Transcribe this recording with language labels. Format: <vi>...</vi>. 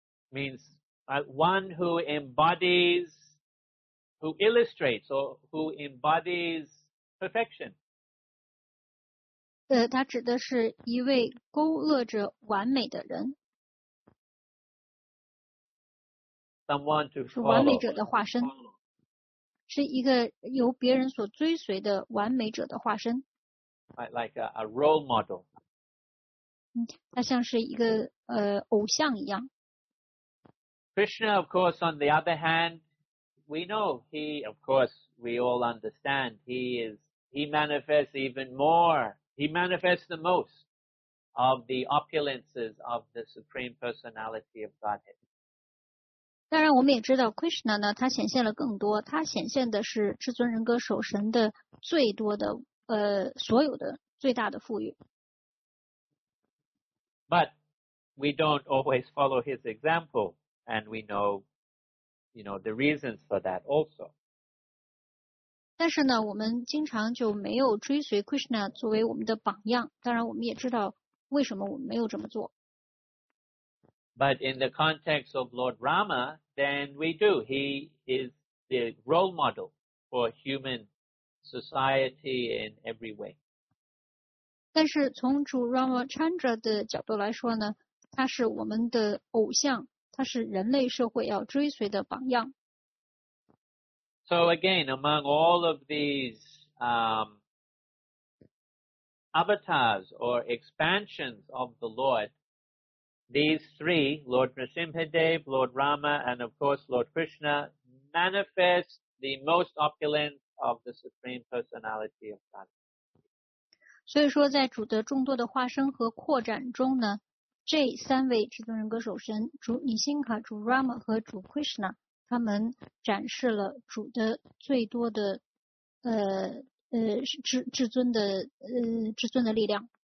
<en>Means one who embodies, who illustrates or who embodies perfection.</en> <zh>他指的是一位勾勒着完美的人。</zh> <en>Someone to follow.</en> <zh>是完美者的化身，是一个由别人所追随的完美者的化身。</zh> <en>Like a role model.</en> <zh>他像是一个偶像一样。</zh> <en>Krishna, of course, on the other hand, we know he, of course, we all understand, he manifests the most of the opulences of the Supreme Personality of Godhead.</en> <zh>当然我们也知道 Krishna 呢，他显现了更多，他显现的是至尊人格守神的最多的所有的最大的富裕。</zh> <en>But we don't always follow his example, and we know, you know, the reasons for that also.</en> <zh>但是呢，我们经常就没有追随 Krishna 作为我们的榜样，当然我们也知道为什么我们没有这么做。</zh> <en>But in the context of Lord Rama, then we do. He is the role model for human society in every way.</en> <zh>但是从主 Rama Chandra 的角度来说呢，他是我们的偶像，他是人类社会要追随的榜样。</zh> <en>So again, among all of these avatars or expansions of the Lord, these three, Lord Nrisimhadev, Lord Rama, and of course Lord Krishna, manifest the most opulent of the Supreme Personality of God.</en> <zh>所以说在主的众多的化身和扩展中呢，这三位至尊人格首身，主尼辛卡、主 Rama 和主 Krishna,他们展示了主的最多的至尊的力量。</zh>